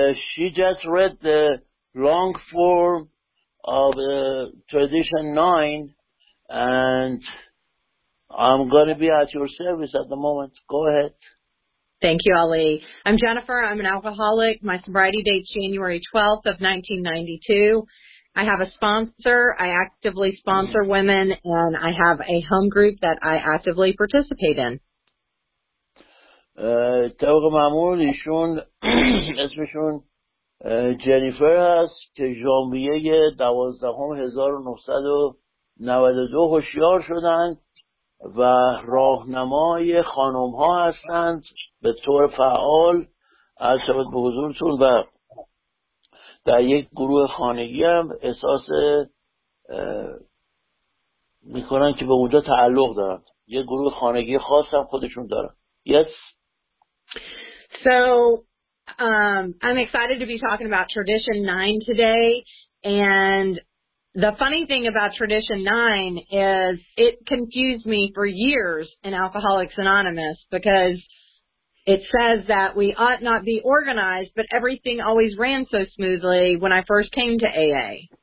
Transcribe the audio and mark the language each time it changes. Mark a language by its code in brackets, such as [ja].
[en] She just read the long form of Tradition 9 and I'm going to be at your service at the moment. Go ahead. Thank you, Ali. I'm Jennifer. I'm an alcoholic. My sobriety date's January 12th of 1992. I have a sponsor. I actively sponsor women, and I have a home group that I actively participate in. [fa] طبق معمول ایشون اسمشون جنیفر هست که ژانویه 12992 هوشیار شدند و راهنمای خانم ها هستند به طور فعال از شبت به حضورتون و در یک گروه خانگی هم احساس می کنن که به اونجا تعلق دارن. یک گروه خانگی خاص هم خودشون دارن. [en] Yes. So I'm excited to be talking about Tradition 9 today. And the funny thing about Tradition 9 is it confused me for years in Alcoholics Anonymous because it says that we ought not be organized, but everything always ran so smoothly when I first came to AA.